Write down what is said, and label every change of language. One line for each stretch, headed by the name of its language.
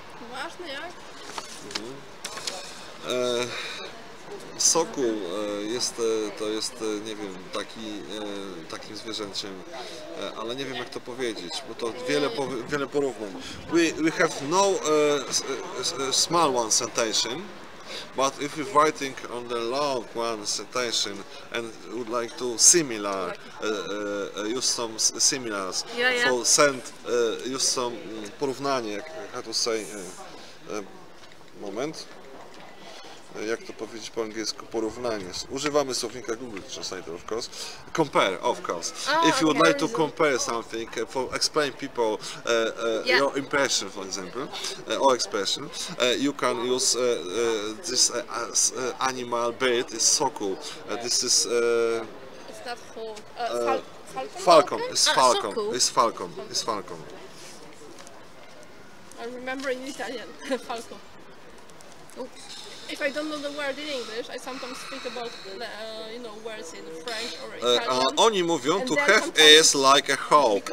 Polish: Uważne jak? Sokół jest, to jest, nie wiem, taki, takim zwierzęciem, ale nie wiem jak to powiedzieć, bo to wiele, wiele porównań.
English: We have no small one citation, but if we're writing on the long one citation and would like to similar, use some similars, yeah, yeah. So send, use some porównanie, jak to say, moment.
Polish: Jak to powiedzieć po angielsku? Porównanie. Używamy słownika
English: Google translator, of course. Compare, of course. Oh, if you would okay. like to compare something, for explain people yeah. your impression, for example, or expression, you can use this as animal bird, is sokół. This is... is that for... falcon? Falcon. It's falcon. Ah, it's falcon. It's falcon. I remember in Italian, falcon. Oops. If I don't know the word in English, I sometimes speak about the, you know, words in French or Italian.
Polish: Oni mówią,
English: to have is like a hawk.